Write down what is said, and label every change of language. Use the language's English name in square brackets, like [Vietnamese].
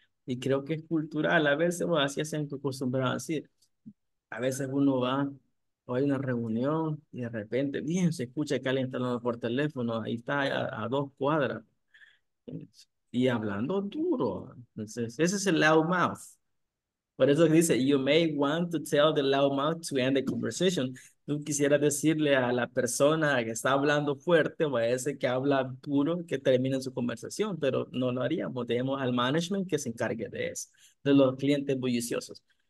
[Spanish] Y creo que es cultural. A veces, bueno, así se han acostumbrado a decir. A veces uno va... O hay una reunión y de repente, bien, se escucha que alguien está hablando por teléfono, ahí está a dos cuadras y hablando duro. Entonces, ese es el loud mouth. Por eso dice, [English] you may want to tell the loud mouth to end the conversation. [Spanish] Tú quisieras decirle a la persona que está hablando fuerte o a ese que habla duro que termine su conversación, pero no lo haríamos. Tenemos al management que se encargue de eso, de los clientes bulliciosos.